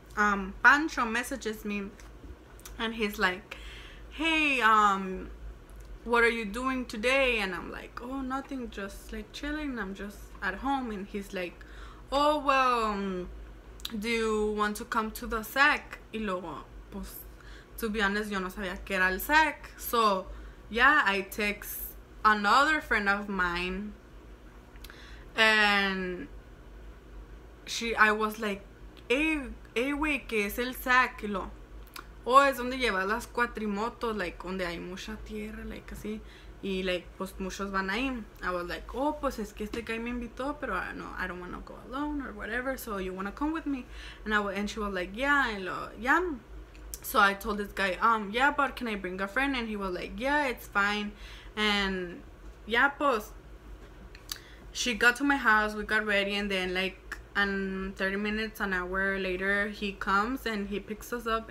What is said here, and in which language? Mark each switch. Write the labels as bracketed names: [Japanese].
[English] Pancho messages me, and he's like, hey, what are you doing today? And I'm like, oh, nothing, just like chilling, I'm just at home. And he's like, oh, well, do you want to come to the SEC? [Spanish] Y luego, pues, [English] to be honest, [Spanish] yo no sabía que era el SEC. [English] So yeah, I text another friend of mine, and I was like, hey, wey, [Spanish] que es el SEC? Y luego, oh, es donde llevas las cuatrimotos, like, donde hay mucha tierra, like, así. Y, like, pues, muchos van ahí. [English] I was like, oh, [Spanish] pues, es que este guy me invitó, pero no, [English] I don't want to go alone or whatever, so you want to come with me? And she was like, yeah, and lo, yeah. So I told this guy, yeah, but can I bring a friend? And he was like, yeah, it's fine. And, yeah, pues, she got to my house, we got ready, and then, like, and 30 minutes, an hour later, he comes and he picks us up.